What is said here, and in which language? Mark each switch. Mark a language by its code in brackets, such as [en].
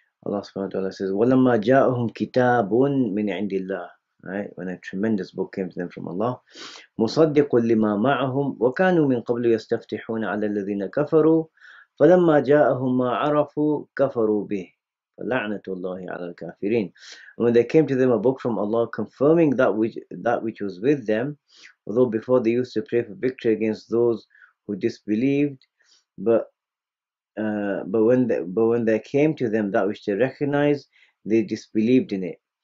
[en] Allah subhanahu wa ta'ala says, [ar] وَلَمَّا جَاءُهُمْ كِتَابٌ مِنْ عِنْدِ اللَّهِ, [en] right? When a tremendous book came to them from Allah, [ar] مُصَدِّقٌ لِمَا مَعَهُمْ وَكَانُوا مِنْ قَبْلُ يَسْتَفْتِحُونَ عَلَى الَّذِينَ كَفَرُوا فَلَمَّا جَاءَهُمْ مَا عَرَفُوا كَفَرُوا بِهِ فَلَعْنَةُ اللَّهِ عَلَى الْكَافِرِينَ. [en] When they came to them a book from Allah confirming that which was with them, although before they used to pray for victory against those who disbelieved, but when they came to them that which they recognized, they disbelieved in it.